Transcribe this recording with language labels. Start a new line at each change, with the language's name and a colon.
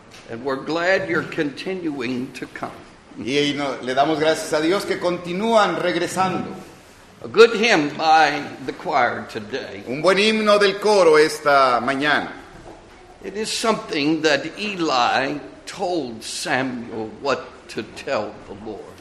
English: And we're glad you're continuing to come.
Spanish: Y no, le damos gracias a Dios que continúan regresando.
English: A good hymn by the choir today.
Spanish: Un buen himno del coro esta mañana.
English: It is something that Eli told Samuel what to tell the Lord.